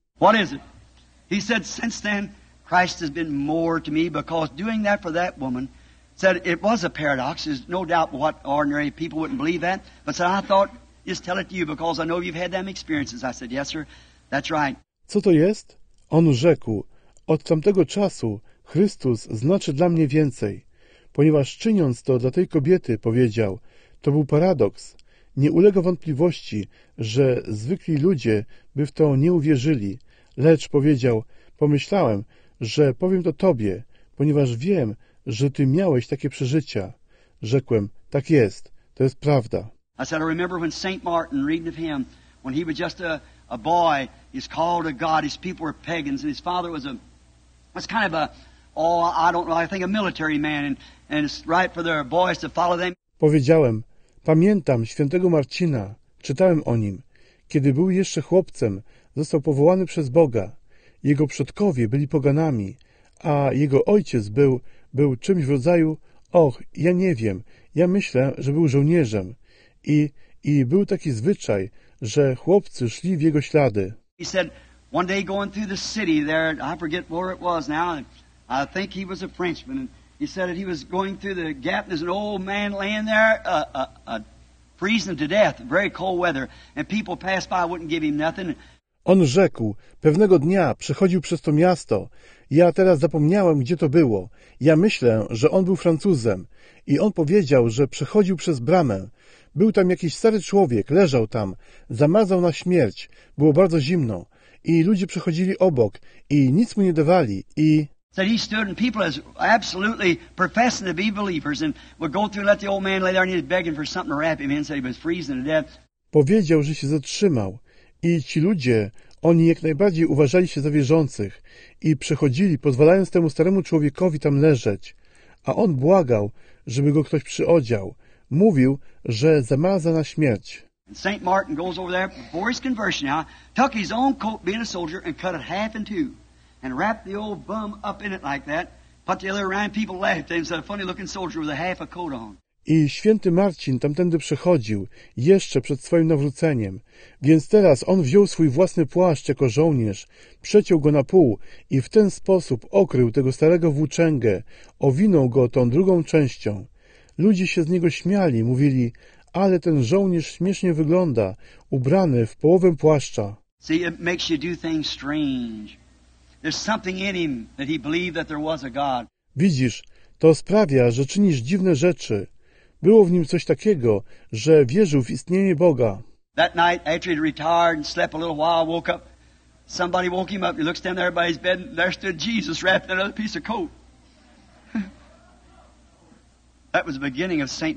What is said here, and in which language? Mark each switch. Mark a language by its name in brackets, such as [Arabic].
[English] What is it? He said, since then, Christ has been more to me, because doing that for that woman, said it was a paradox, is no doubt what ordinary people wouldn't believe that, but said, I thought, just tell it to you, because I know you've had them experiences. I said, yes, sir, that's right. [Polish] Co to jest? On rzekł, od tamtego czasu Chrystus znaczy dla mnie więcej. Ponieważ czyniąc to dla tej kobiety, powiedział, to był paradoks. Nie ulega wątpliwości, że zwykli ludzie by w to nie uwierzyli. Lecz powiedział, pomyślałem, że powiem to tobie, ponieważ wiem, że ty miałeś takie przeżycia. Rzekłem, tak jest, to jest prawda. [English] I said, I remember when St. Martin, reading of him, when he was just a boy, he's called a god, his people were pagans, and his father was kind of a military man, and it's right for their boys to follow them. [Polish] Powiedziałem, pamiętam świętego Marcina, czytałem o nim. Kiedy był jeszcze chłopcem, został powołany przez Boga. Jego przodkowie byli poganami, a jego ojciec był czymś w rodzaju, och, ja nie wiem, ja myślę, że był żołnierzem. I był taki zwyczaj, że chłopcy szli w jego ślady. [English] He said, one day going through the city there, I forget where it was now, I think he was a Frenchman, and he said that he was going through the gap, there's an old man laying there, freezing to death, very cold weather, and people passed by, wouldn't give him nothing. [Polish] On rzekł, pewnego dnia przechodził przez to miasto, ja teraz zapomniałem, gdzie to było, ja myślę, że on był Francuzem, i on powiedział, że przechodził przez bramę. Był tam jakiś stary człowiek, leżał tam, zamarzał na śmierć, było bardzo zimno i ludzie przechodzili obok i nic mu nie dawali i... [English] Said he stood and people as absolutely professing to be believers and would go through, let the old man lay there and he was begging for something to wrap him in, said he was freezing to death. [Polish] Powiedział, że się zatrzymał i ci ludzie, oni jak najbardziej uważali się za wierzących i przechodzili, pozwalając temu staremu człowiekowi tam leżeć. A on błagał, żeby go ktoś przyodział. Mówił, że zamarza na śmierć. [English] St. Martin goes over there before his conversion now, took his own coat being a soldier and cut it half in two and wrapped the old bum up in it like that, put the other around, people laughed and said a funny looking soldier with a half a coat on. [Polish] I święty Marcin tamtędy przechodził, jeszcze przed swoim nawróceniem. Więc teraz on wziął swój własny płaszcz jako żołnierz, przeciął go na pół i w ten sposób okrył tego starego włóczęgę, owinął go tą drugą częścią. Ludzie się z niego śmiali, mówili, ale ten żołnierz śmiesznie wygląda, ubrany w połowę płaszcza. [English] See, it makes you do things strange. There's something in him that he believed that there was a God. [Polish] Widzisz, to sprawia, że czynisz dziwne rzeczy. Było w nim coś takiego, że wierzył w istnienie Boga. [English] That night, after he'd retired and slept a little while, woke up. Somebody woke him up. He looks down there by his bed, and there stood Jesus wrapped in another piece of coat. That was the beginning of St.